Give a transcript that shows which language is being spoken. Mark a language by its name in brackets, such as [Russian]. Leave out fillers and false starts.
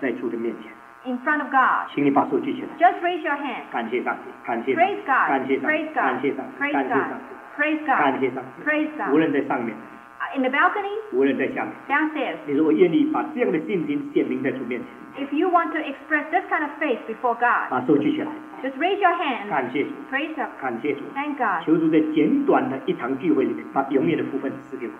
[Chinese] 在主的面前。 [English] In front of God. [Chinese] 请你把手举起来。 [English] Just raise your hand. [Chinese] 感谢上帝，感谢。 [English] Praise God. [Chinese] 感谢上帝。 [English] Praise God. [Chinese] 感谢上帝。 [English] Praise God. Praise God. [Chinese] 感谢上帝。 [English] Praise God. [Chinese] 无论在上面。 [English] In the balcony, [Chinese] 无论在下面 [English] downstairs, [Chinese] 你说我愿意把这样的信心显明在主面前 [English] if you want to express this kind of faith before God, [Chinese] 把手举起来 [English] just raise your hand, [Chinese] 感谢主 [English] praise God, [Chinese] 感谢主 [English] thank God, [Chinese] 求主在简短的一场聚会里面把永远的福分赐给我